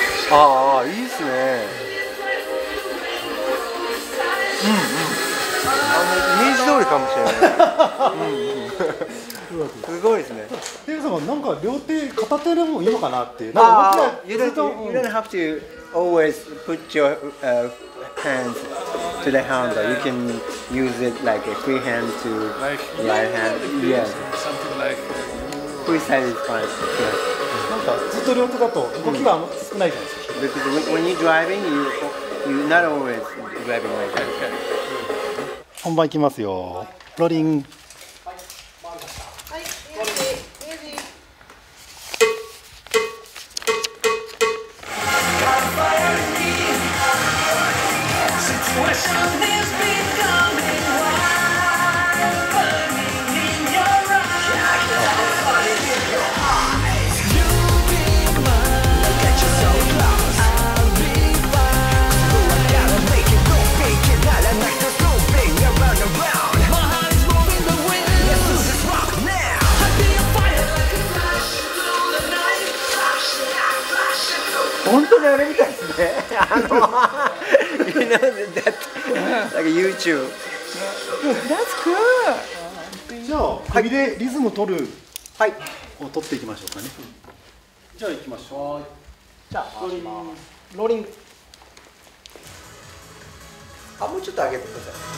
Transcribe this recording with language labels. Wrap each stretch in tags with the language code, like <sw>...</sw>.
<ja>ああ、いいですね。うんうん。あのイメージ通りかもしれない。うんうん、すごいですね。テイさんはなんか両手片手でもいいのかなっていう。</ja> <en>ああ、you don't have to always put your hands to the hand. You can use it like a free hand to right hand. Yeah. Something like free side is fine. Yeah.</en> <ja>ずっと両手だと動きがあんま少ないじゃないですか。</ja> <en>Because when you're driving, you're not always driving like that.</en> <ja>本番いきますよ。ローリング。</ja> <en>You know that, like YouTube. That's cool.</en> <ja>じゃあ首でリズム取る、はい、を取っていきましょうかね。じゃあ行きましょう。じゃあローリング。あ、もうちょっと上げてください。</ja>